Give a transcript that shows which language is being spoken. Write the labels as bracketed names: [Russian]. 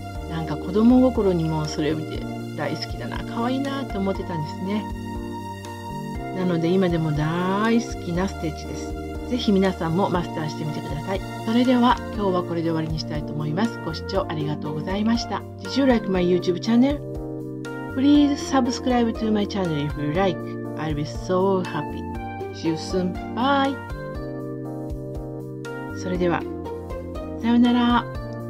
[Japanese] なんか子供心にもそれを見て大好きだな、可愛いなと思ってたんですね。なので今でも大好きなステッチです。ぜひ皆さんもマスターしてみてください。それでは今日はこれで終わりにしたいと思います。ご視聴ありがとうございました。 [English] Did you like my YouTube channel? Please subscribe to my channel if you like. I'll be so happy. See you soon. [Japanese] Bye! それでは、さようなら。